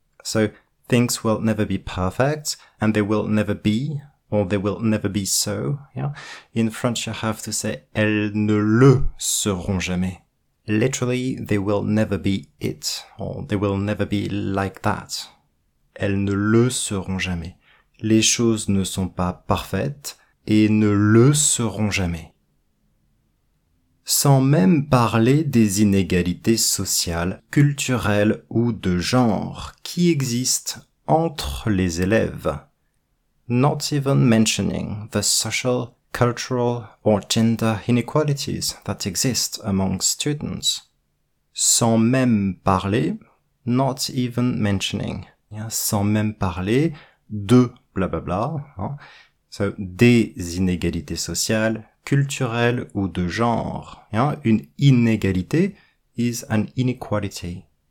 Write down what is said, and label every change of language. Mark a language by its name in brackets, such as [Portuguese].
[English] So things will never be perfect and they will never be, or they will never be so. Yeah. In French, you have to say [French] elles ne le seront jamais. [English] Literally, they will never be it, or they will never be like that. [French] Elles ne le seront jamais. Les choses ne sont pas parfaites et ne le seront jamais. Sans même parler des inégalités sociales, culturelles ou de genre qui existent entre les élèves. [English] Not even mentioning the social, cultural or gender inequalities that exist among students. [French] Sans même parler, [English] not even mentioning. [French] Yeah, sans même parler de bla bla bla. Hein. So, des inégalités sociales, culturelles ou de genre. [English] Yeah, une inégalité is an inequality.